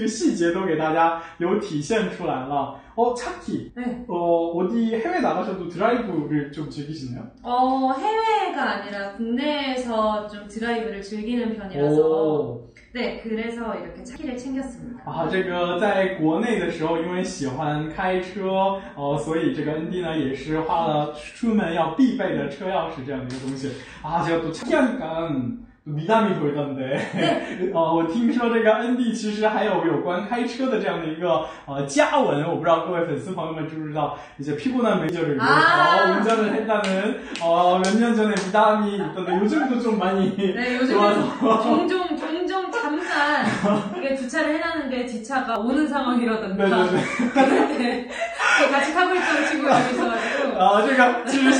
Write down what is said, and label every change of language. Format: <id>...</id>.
<zh>有这个有我们的这个应急灯按钮，还有开车门的按钮，还有这个关车门的按钮，这个细节都给大家有体现出来了。</zh> <ko>어, 차키. 네. 어, 어디 해외 나가셔도 드라이브를 좀 즐기시나요? 어, 해외가 아니라 국내에서 좀 드라이브를 즐기는 편이라서. 오. 네, 그래서 이렇게 차키를 챙겼습니다.</ko> <zh>아, 제가 在国内的时候因为喜欢开车，所以这个 ND呢也是花了出门要必备的车钥匙这样的一个东西。</zh> <ko>아, 제가 또 차키하니까 미담이 돌던데. 네.</ko> <zh>어, 我听说这个 ND 其实还有有关开车的这样的一个佳文，我不知道各位粉丝朋友们知不知道，</zh> <ko>이제 피곤한 매니저를 위해서 운전을 했다는, 어, 몇 년 전에 미담이 있던데, 요즘도 좀 많이. 네, 요즘도 종종 잠깐 이게 주차를 해놨는데 지차가 오는 상황이라던가. 네네네. 같이 타고 있던 친구가 있어가지고.</ko>